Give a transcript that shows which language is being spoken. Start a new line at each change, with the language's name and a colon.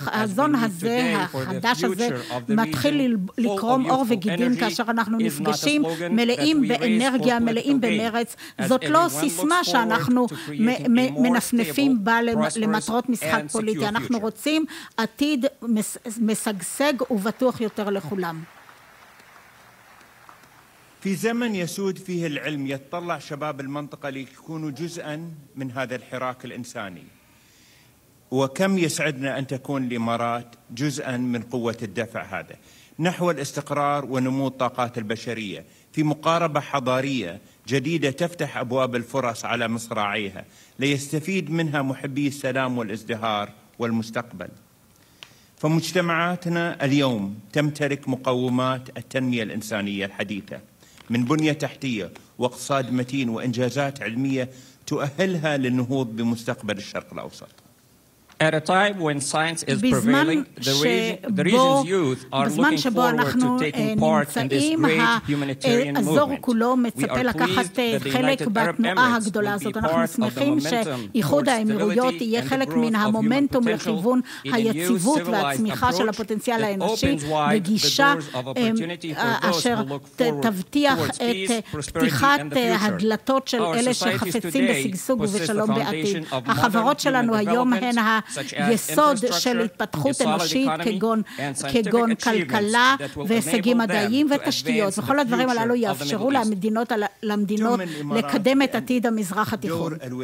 Hebrew: האזון הזה, החדש הזה, מתחיל לקרום עור וגידים כאשר אנחנו נפגשים מלאים באנרגיה, מלאים במרץ. זאת לא סיסמה שאנחנו מנפנפים בה למטרות משחק פוליטי. אנחנו רוצים עתיד משגשג ובטוח יותר לכולם.
Arabic: في زمن يسود فيه العلم يتطلع شباب المنطقه ليكونوا جزءا من هذا الحراك الانساني وكم يسعدنا ان تكون الامارات جزءا من قوه الدفع هذا نحو الاستقرار ونمو الطاقات البشريه في مقاربه حضاريه جديده تفتح ابواب الفرص على مصراعيها ليستفيد منها محبي السلام والازدهار والمستقبل فمجتمعاتنا اليوم تمتلك مقومات التنميه الانسانيه الحديثه من بنية تحتية واقتصاد متين وإنجازات علمية تؤهلها للنهوض بمستقبل الشرق الأوسط.
English: At a time when science is prevailing, the region's youth are looking forward to taking part in this great humanitarian movement. We are pleased that the United Arab Emirates will be part of the momentum towards stability and the growth of human potential in a new civilized approach that opens wide the doors of opportunity for those who look forward towards peace, prosperity and the future. Our society today assists the foundation of modern human development,
Hebrew: יסוד של התפתחות אנושית כגון כלכלה והישגים מדעיים ותשתיות. וכל הדברים הללו יאפשרו למדינות לקדם את עתיד המזרח התיכון.